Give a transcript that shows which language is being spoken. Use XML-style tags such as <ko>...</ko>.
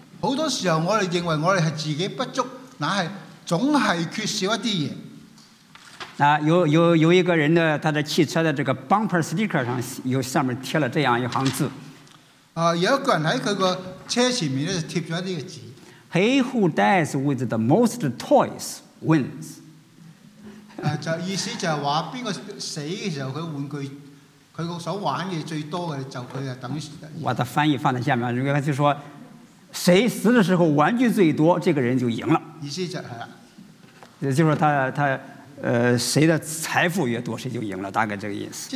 <zh>很多时候我们认为我们是自己不足，但是总是缺少一些东西。有一个人的他的汽车的这个 bumper sticker 上有上面贴了这样一行字。有一个人在他的车前面贴了这个字。</zh> <en>He who dies with the most toys wins.</en> <zh>意思就是说哪个死的时候他玩具他所玩的最多的就他就等于我的翻译放在下面，他就说谁死的时候玩具最多这个人就赢了，意思就是就是说他谁的财富越多谁就赢了，大概这个意思。</zh>